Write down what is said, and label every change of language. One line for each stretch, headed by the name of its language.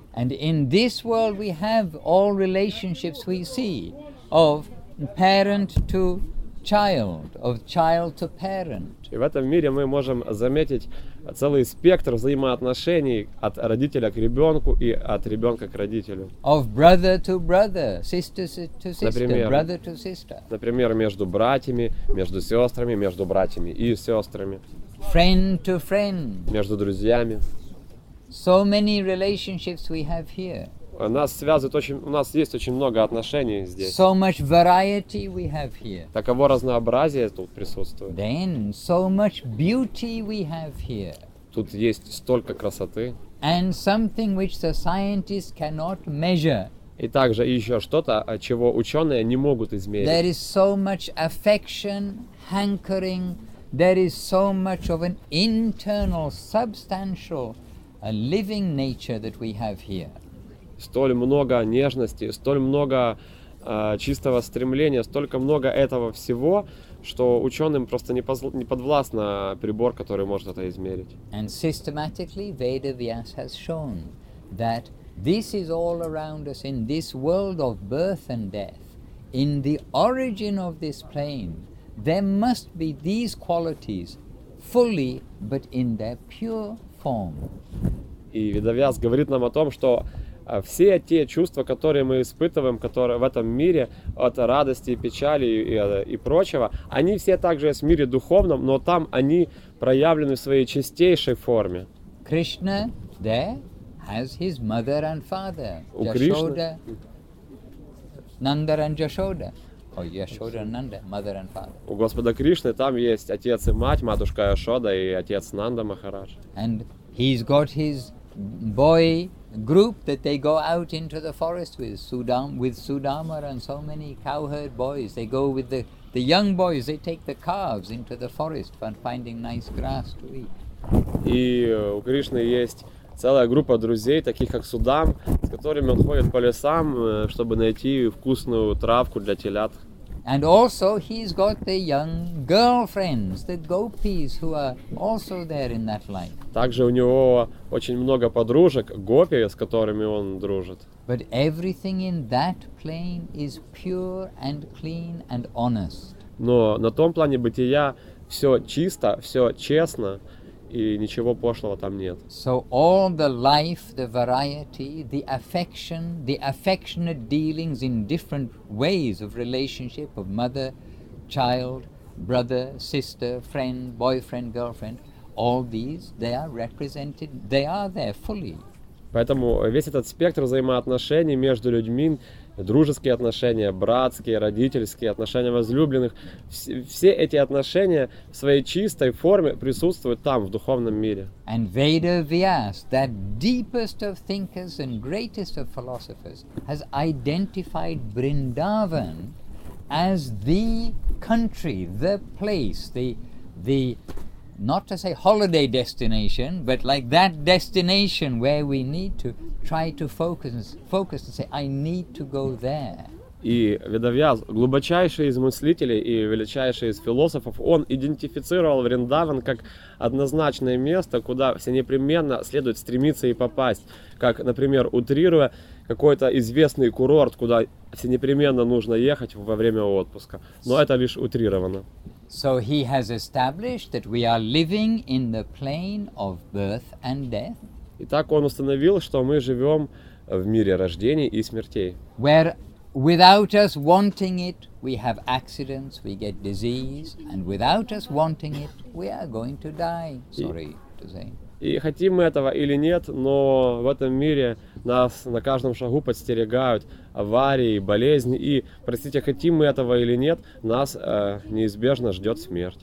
English: And in this world we have all relationships we see of parent to child, of child to parent.
Russian: И в этом мире мы можем заметить целый спектр взаимоотношений от родителя к ребенку и от ребенка к родителю.
English: Of brother to brother, sister to sister,
Russian: например,
English: brother to sister.
Russian: Например, между братьями, между сестрами, между братьями и сестрами.
English: Friend to friend.
Russian: Между друзьями.
English: So many relationships we have here.
Russian: У нас есть очень много отношений здесь.
English: So much variety we have here.
Russian: Таково разнообразие тут присутствует.
English: Then so much beauty we have here.
Russian: Тут есть столько красоты.
English: And something which the scientists cannot measure.
Russian: И также еще что-то, чего ученые не могут измерить.
English: There is so much affection, hankering. There is so much of an internal, substantial, a living nature that we have here.
Russian: Столь много нежности, столь много чистого стремления, столько много этого всего, что ученым просто не подвластно прибор, который может это измерить.
English: And systematically Veda Vyas has shown that this is all around us in this world of birth and death, in the origin of this plane, there must be these qualities fully, but in their pure form.
Russian: И Veda Vyas говорит нам о том, что все те чувства, которые мы испытываем, которые в этом мире, от радости и печали и прочего, они все также есть в мире духовном, но там они проявлены в своей чистейшей форме.
English: Krishna there has his mother and father, Yashoda, Nanda and Yashoda. Oh, Yashoda and Nanda, mother and father.
Russian: У Господа Кришны там есть отец и мать, матушка Яшода и отец Нанда Махарадж.
English: And he's got his boy group that they go out into the forest with Sudama and so many cowherd boys. They go with the young boys, they take the calves into the forest for finding nice grass to eat.
Russian: И у Кришны есть целая группа друзей, таких как Судам, с которыми он ходит по лесам, чтобы найти вкусную травку для телят.
English: And also he's got the young girlfriends, the gopis, who are also there in that life.
Russian: Также у него очень много подружек, гопи, с которыми он дружит.
English: But everything in that plane is pure and clean and honest.
Russian: Но на том плане бытия все чисто, все честно, и ничего пошлого там нет.
English: So all the life, the variety, the affection, the affectionate dealings in different ways of relationship of mother, child, brother, sister, friend, boyfriend, girlfriend, all these, they are represented, they are there fully.
Russian: Поэтому весь этот спектр взаимоотношений между людьми, дружеские отношения, братские, родительские, отношения возлюбленных, все эти отношения в своей чистой форме присутствуют там, в духовном мире.
English: And Veda Vyas, that deepest of thinkers and greatest of philosophers, has identified Vrindavan as the country, the place, the not to say holiday destination, but like that destination where we need to try to focus and say, I need to go there.
Russian: И Ведавьяс, глубочайший из мыслителей и величайший из философов, он идентифицировал Вриндаван как однозначное место, куда все непременно следует стремиться и попасть. Как, например, утрируя какой-то известный курорт, куда все непременно нужно ехать во время отпуска. Но это лишь утрировано.
English: So he has established that we are living in the plane of birth and death.
Russian: Итак, он установил, что мы живем в мире рождений и смертей.
English: Where without us wanting it, we have accidents, we get disease, and without us wanting it, we are going to die. Sorry to say.
Russian: И хотим мы этого или нет, но в этом мире нас на каждом шагу подстерегают аварии, болезни, и, простите, хотим мы этого или нет, нас неизбежно ждет смерть.